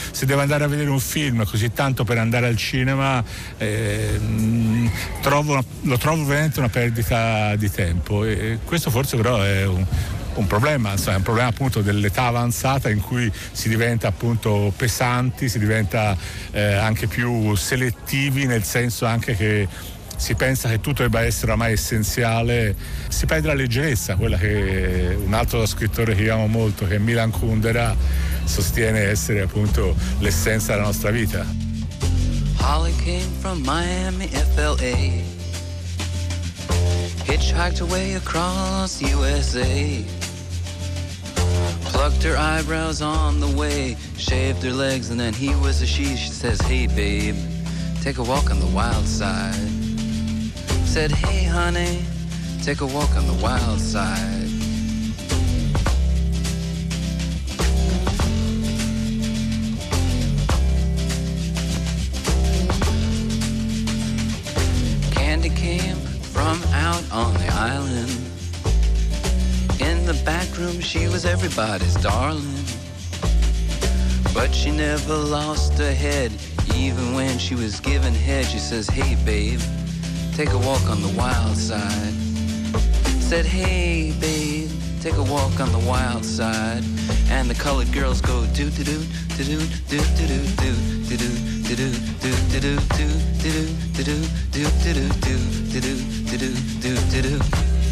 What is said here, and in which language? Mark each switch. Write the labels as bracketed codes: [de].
[it] Se devo andare a vedere un film, così tanto per andare al cinema, lo trovo veramente una perdita di tempo, e questo forse però è un problema, insomma, è un problema appunto dell'età avanzata, in cui si diventa appunto pesanti, si diventa anche più selettivi, nel senso anche che si pensa che tutto debba essere ormai essenziale, si perde la leggerezza, quella che un altro scrittore che amo molto, che è Milan Kundera, sostiene essere appunto l'essenza della nostra vita. [en] Holly came from Miami, FLA, hitchhiked away across USA, plucked her eyebrows on the way, shaved her legs and then he was a she says, hey babe, take a walk on the wild side. Said, hey honey, take a walk on the wild side. Candy came from out on the island. In the back room she was everybody's darling. But she never lost her head, even when she was given head. She says, hey babe, take a walk on the wild side. Said, hey babe, take a walk on the wild side. And the colored girls go do do do do do do do do do do do do do do do do do do do do do do do do do do do do do do do do.